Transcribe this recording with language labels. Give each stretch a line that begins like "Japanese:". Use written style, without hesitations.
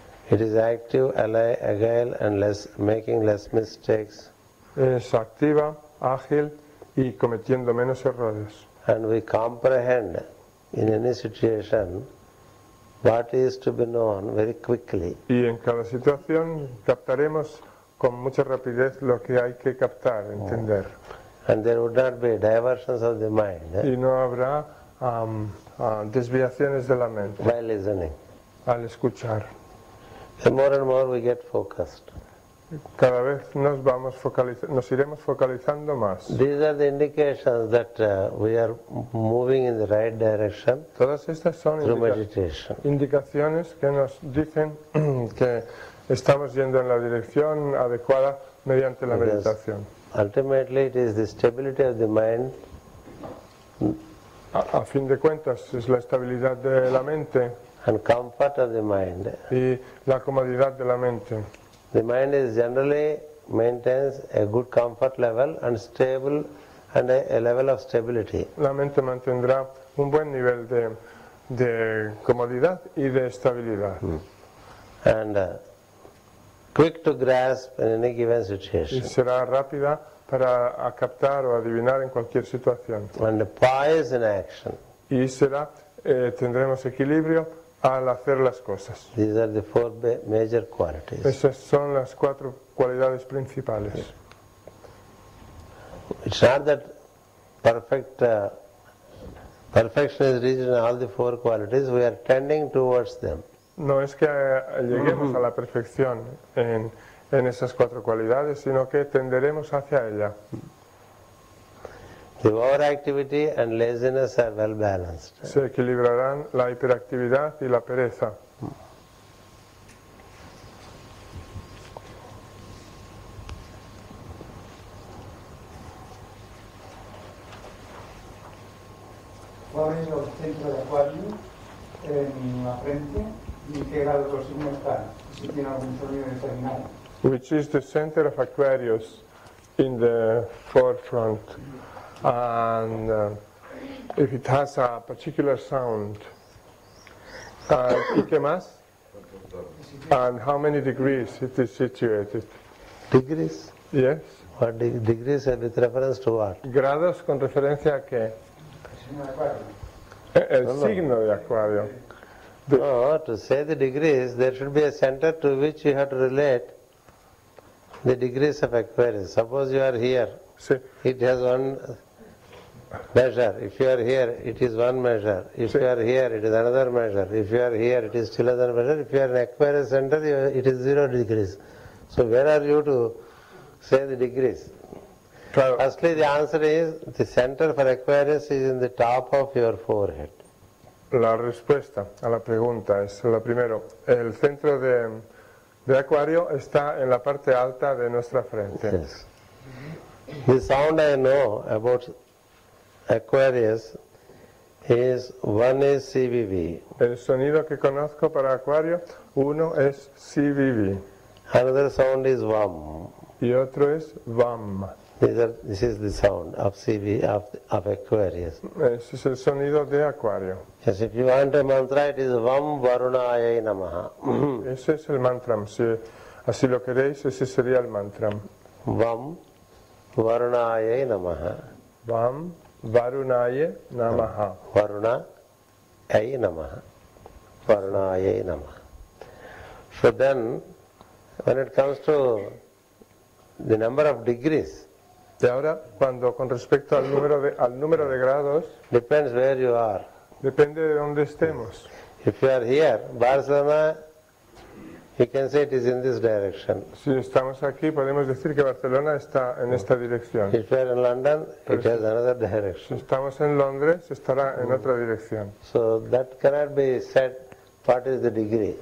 English: It is active, agile, and making less mistakes.
Spanish: Es activa, ágil y cometiendo menos errores.
English: And we comprehend in any situation what is to be known very quickly.
Spanish: Y en cada situación captaremos con mucha rapidez lo que hay que captar, entender.
English: And there would not be diversions of the mind.
Spanish: Y no habrá desviaciones de la mente.
English: While listening.
Spanish: Al escuchar.
English: And more we get focused.
Spanish: Cada vez nos vamos nos iremos focalizando más.
English: These are the indications that we are moving in the right direction.
Spanish: Todas estas son indicaciones que nos dicen que estamos yendo en la dirección adecuada mediante la meditación.
English: Ultimately, it is the stability of the mind.
Spanish: A fin de cuentas, es la estabilidad de la mente.
English: And comfort of the mind.
Spanish: Y la comodidad de la mente.
English: The mind is generally maintains a good comfort level and stable and a level of stability.
Spanish: La mente mantendrá un buen nivel de comodidad y de estabilidad.
English: And quick to grasp in any given situation.
Spanish: Y será rápida para captar o adivinar en cualquier situación.
English: And poise in action.
Spanish: Y será tendremos equilibrio al hacer las cosas.
English: These are the four major qualities.
Spanish: Esas son las cuatro cualidades principales.
English: It's not that perfection is reached in all the four qualities. We are tending towards them.
Spanish: No es que lleguemos a la perfección en esas cuatro cualidades, sino que tenderemos hacia ella.
English: The overactivity and laziness are well balanced.
Spanish: Se equilibrarán la hiperactividad y la pereza. ¿Cuál es el centro de acuario en la frente? ¿Y qué grado de oxígeno está? ¿Si tiene algún sonido determinado?
English: Which is the center of Aquarius in the forefront? And if it has a particular sound,
Spanish: ¿qué más?
English: And how many degrees it is situated? Degrees? Yes. What degrees are with reference to what?
Spanish: Grados con referencia a qué? El signo de Acuario.
English: No, to say the degrees, there should be a center to which you have to relate the degrees of Aquarius. Suppose you are here.
Spanish: Sí.
English: It has one measure. If you are here, it is one measure. If you are here, it is another measure. If you are here, it is still another measure. If you are in Aquarius center, it is 0 degrees. So where are you to say the degrees?
Spanish: Claro.
English: Firstly, the answer is the center for Aquarius is in the top of your forehead.
Spanish: La respuesta a la pregunta es la primero. El centro de Acuario está en la parte alta de nuestra frente.
English: Yes. The sound I know about Aquarius is 1 is CVV.
Spanish: El sonido que conozco para Acuario, 1 es CVV.
English: Another sound is VAM.
Spanish: Y otro es VAM.
English: This is the sound of CVV, of Aquarius.
Spanish: Ese es el sonido de Acuario.
English: Yes, if you want a mantra, it is
Sanskrit: VAM VARUNAYA NAMAHA.
Spanish: Ese es el mantra. Si así lo queréis, ese sería el mantra.
Sanskrit: VAM VARUNAYA NAMAHA. VAM Varunaye Namaha. Varuna Ay Namaha. Varunaye Namaha.
English: So then, when it comes to the number of degrees.
Spanish: Y ahora, cuando con respecto al número de grados.
English: Depends where you are.
Spanish: Depende de donde estemos.
English: If you are here, Barcelona, you can say it is in this direction.
Spanish: Si estamos aquí, podemos decir que Barcelona está en esta dirección.
English: If we are in London, it has another direction.
Spanish: Si estamos en Londres, estará en otra dirección.
English: So that cannot be said what is the degree.